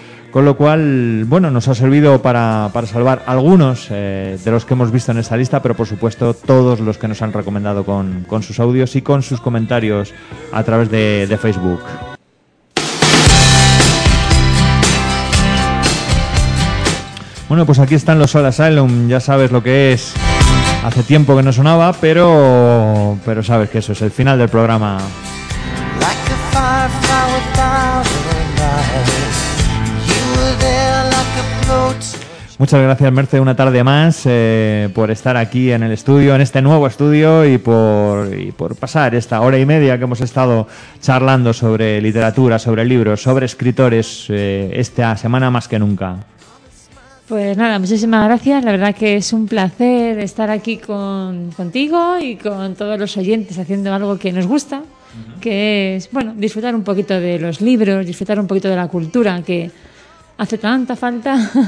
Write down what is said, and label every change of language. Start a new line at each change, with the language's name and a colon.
Spanish: Con lo cual, bueno, nos ha servido para salvar algunos de los que hemos visto en esta lista, pero por supuesto todos los que nos han recomendado con sus audios y con sus comentarios a través de Facebook. Bueno, pues aquí están los Soul Asylum, ya sabes lo que es. Hace tiempo que no sonaba, pero sabes que eso es el final del programa.
English: Like a firefly without a light. You were there like a float.
Spanish: Muchas gracias, Merce, una tarde más por estar aquí en el estudio, en este nuevo estudio, y por pasar esta hora y media que hemos estado charlando sobre literatura, sobre libros, sobre escritores, esta semana más que nunca. Pues nada, muchísimas gracias. La verdad que es un placer estar aquí contigo y con todos los oyentes haciendo algo que nos gusta, que es, bueno, disfrutar un poquito de los libros, disfrutar un poquito de la cultura que hace tanta falta.